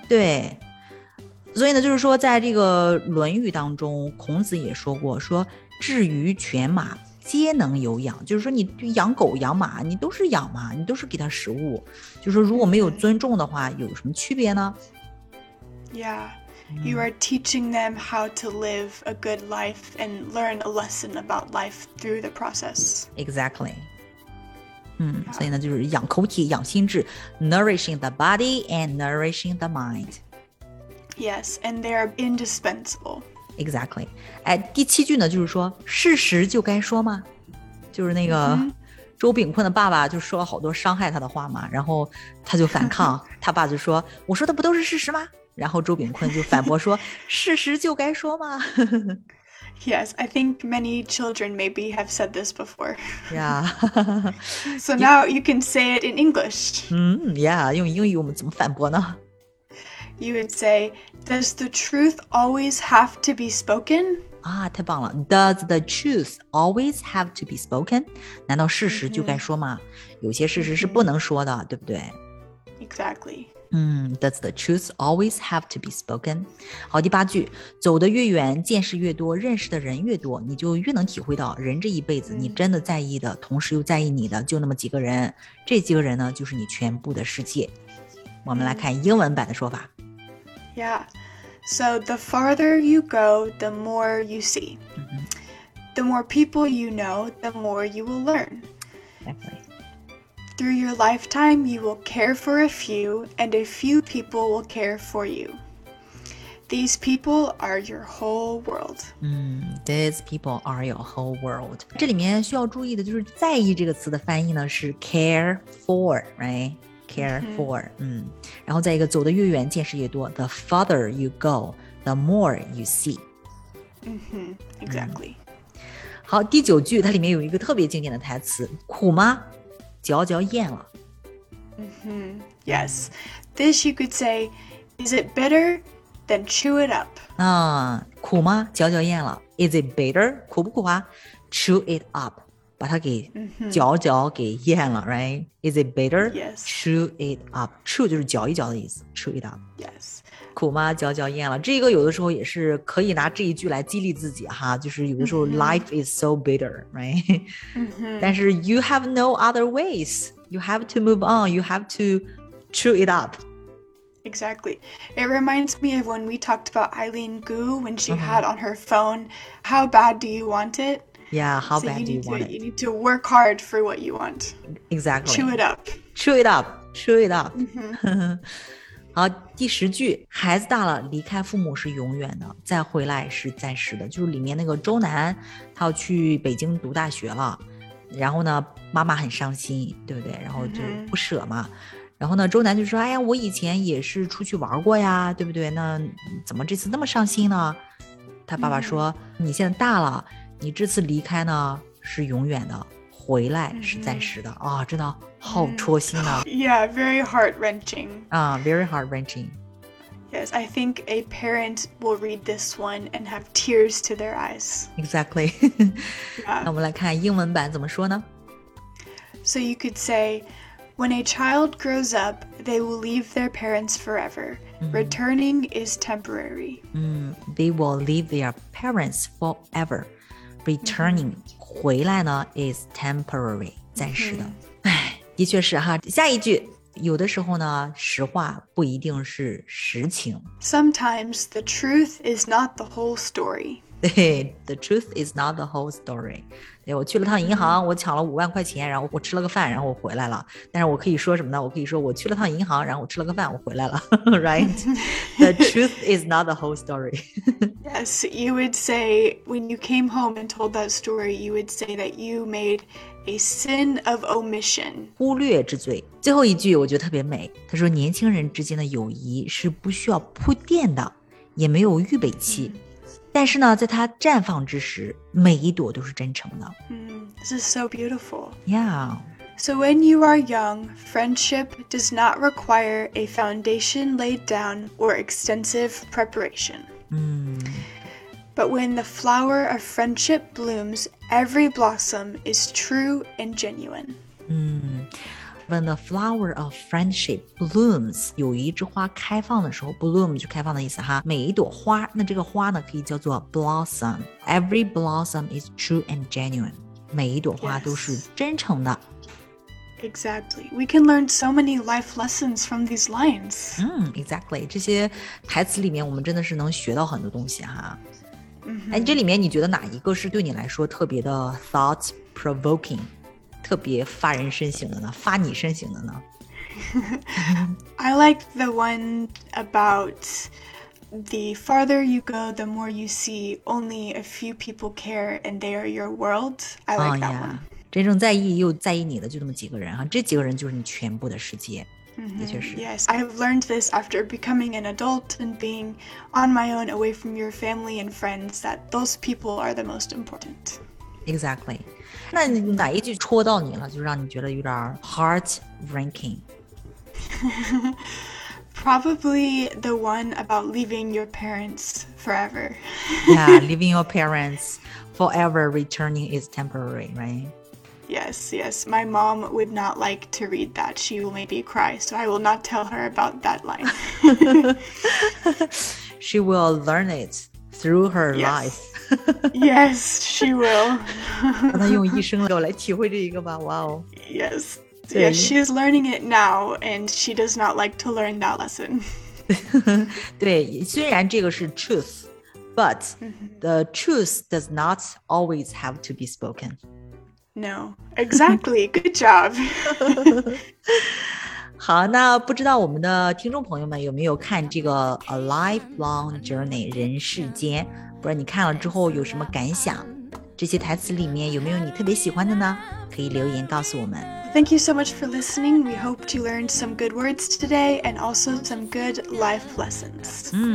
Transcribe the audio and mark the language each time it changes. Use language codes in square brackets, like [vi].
[zh] 对所以呢就是说在这个论语当中孔子也说过说至于犬马皆能有养就是说你养狗养马你都是养嘛你都是给它食物就是说如果没有尊重的话有什么区别呢 [en] Yeah, you are teaching them how to live a good life and learn a lesson about life through the process. Exactly. [zh] 所以呢就是养口体养心智 [en] nourishing the body and nourishing the mind. Yes, and they are indispensable. Exactly. [zh] 哎，第七句呢，就是说，事实就该说吗？就是那个周秉昆的爸爸就说了好多伤害他的话嘛，然后他就反抗，他爸就说：“我说的不都是事实吗？” 然后周秉昆就反驳说：“事实就该说吗？” [en] Yes, I think many children maybe have said this before. Yeah. So now you can say it in English. [zh] Yeah, 用英语我们怎么反驳呢？ [en] You would say, does the truth always have to be spoken? [zh] 啊，太棒了。 [en] Does the truth always have to be spoken? [zh] 难道事实就该说吗？有些事实是不能说的，对不对？ [en] Exactly. Does the truth always have to be spoken? [zh] 好，第八句，走得越远，见识越多，认识的人越多，你就越能体会到人这一辈子，你真的在意的，同时又在意你的，就那么几个人。这几个人呢，就是你全部的世界。我们来看英文版的说法。 [en] Yeah, so the farther you go, the more you see. The more people you know, the more you will learn. Definitely. Through your lifetime, you will care for a few, and a few people will care for you. These people are your whole world. These people are your whole world. [zh] 这里面需要注意的就是在意这个词的翻译呢是 [en] care for, right? Care for, [zh] 然后再一个走得越远见识越多 [en] The farther you go, the more you see. Exactly. [zh] 好第九句它里面有一个特别经典的台词苦吗嚼嚼咽了、 [en] Yes, this you could say, is it bitter? Then chew it up. [zh] 苦吗嚼嚼咽了 [en] Is it bitter? [zh] 苦不苦啊 [en] Chew it up. [zh] 把它给嚼嚼给咽了、 [en] right? Is it bitter? Yes. Chew it up. [zh] Chew 就是嚼一嚼的意思 [en] Chew it up. Yes. [zh] 苦吗嚼嚼咽了这个有的时候也是可以拿这一句来激励自己哈就是有的时候、 [en] life is so bitter, right? [zh] 但是 [en] you have no other ways. You have to move on. You have to chew it up. Exactly. It reminds me of when we talked about Eileen Gu when she had on her phone, how bad do you want it? Yeah, how bad do you want it? You need to work hard for what you want. Exactly. Chew it up. Chew it up. Chew it up. [zh] 好，第十句，孩子大了，离开父母是永远的，再回来是暂时的。就是里面那个周南，他要去北京读大学了，然后呢，妈妈很伤心，对不对？然后就不舍嘛。然后呢周南就说哎呀我以前也是出去玩过呀对不对那怎么这次那么上心呢他爸爸说、嗯、你现在大了你这次离开呢是永远的回来是暂时的、嗯、啊真的好戳心啊 [en] Yeah, very heart-wrenching. Very heart-wrenching. Yes, I think a parent will read this one and have tears to their eyes. Exactly. 、 yeah. [zh] 那我们来看英文版怎么说呢 [en] So you could say, when a child grows up, they will leave their parents forever. Returning is temporary. They will leave their parents forever. Returning,、mm-hmm. [zh] 回来呢 [en] is temporary, [zh] 暂时的。 Mm-hmm. 的确是哈，下一句，有的时候呢，实话不一定是实情。 [en] Sometimes the truth is not the whole story. [zh] 对 [en] ，the truth is not the whole story. [zh] 对，我去了趟银行，我抢了50,000块钱，然后我吃了个饭，然后我回来了。但是我可以说什么呢？我可以说我去了趟银行，然后我吃了个饭，我回来了。 [en] Right? The truth is not the whole story. Yes, you would say when you came home and told that story, you would say that you made. A sin of omission. [zh] 忽略之罪。最后一句我觉得特别美。他说年轻人之间的友谊是不需要铺垫的也没有预备期。 Mm. 但是呢在他绽放之时每一朵都是真诚的。 [en] This is so beautiful. Yeah. So when you are young, friendship does not require a foundation laid down or extensive preparation. But when the flower of friendship blooms, every blossom is true and genuine. When the flower of friendship blooms, [zh] 友谊之花开放的时候 [en] ,bloom [zh] 就开放的意思哈。每一朵花那这个花呢可以叫做 blossom. [en] Every blossom is true and genuine. [zh] 每一朵花都是真诚的。 [en] Yes. Exactly. We can learn so many life lessons from these lines. Exactly. [zh] 这些台词里面我们真的是能学到很多东西哈。哎，这里面你觉得哪一个是对你来说特别的 [en] thought provoking， [zh] 特别发人深省的呢？发你深省的呢 [en] ？I like the one about the farther you go, the more you see only a few people care, and they are your world. I like that one. [zh] 真正在意又在意你的就那么几个人哈，这几个人就是你全部的世界。 [en] Yes, I have learned this after becoming an adult and being on my own away from your family and friends that those people are the most important. Exactly. [zh] 那哪一句戳到你了就让你觉得有点 heart-wrenching? [en] Probably the one about leaving your parents forever. Yeah, leaving your parents forever, returning is temporary, right? Yes, my mom would not like to read that. She will maybe cry, so I will not tell her about that line. She will learn it through her life. Yes, she will. [zh] 让她用一生给我来体会这一个吧 wow. [en] Yes, yes, she is learning it now, and she does not like to learn that lesson. [zh] 对，虽然这个是 [en] truth, but the truth does not always have to be spoken. No, exactly. Good job. [zh] 好，那不知道我们的听众朋友们有没有看这个 A Lifelong Journey 人世间？不然你看了之后有什么感想？这些台词里面有没有你特别喜欢的呢？可以留言告诉我们。 [en] Thank you so much for listening. We hope to learn some good words today and also some good life lessons.